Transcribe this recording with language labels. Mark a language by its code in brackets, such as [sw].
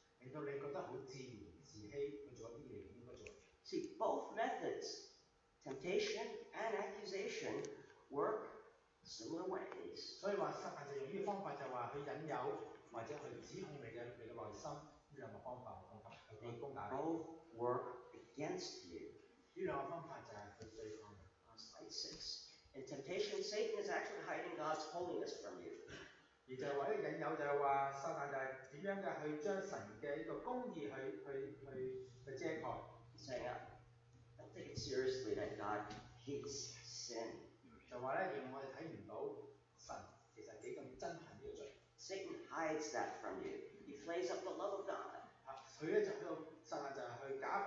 [yue] 令到你覺得好自欺，去做一啲你唔應該做嘅。 [en] See, both methods, temptation and accusation, work similar ways. [yue] 所以話，撒旦就用呢個方法，就話去引誘或者去指控你嘅內心呢兩個方法去攻打你。 [en] Both work against you. [yue] 呢兩個方法就係去對抗。 [en] Slide 6. In temptation, Satan is actually hiding God's holiness from you. [yue] 而就話呢個引誘就係話撒旦就係點樣嘅去將神嘅呢個公義去遮蓋。 [en] Saying, don't take it seriously that God hates sin. [yue] 就話咧，原來我哋睇唔到神其實幾咁憎恨呢個罪。 [en] Satan hides that from you. He plays up the love of God. [yue] 佢咧就喺度，撒旦就係去。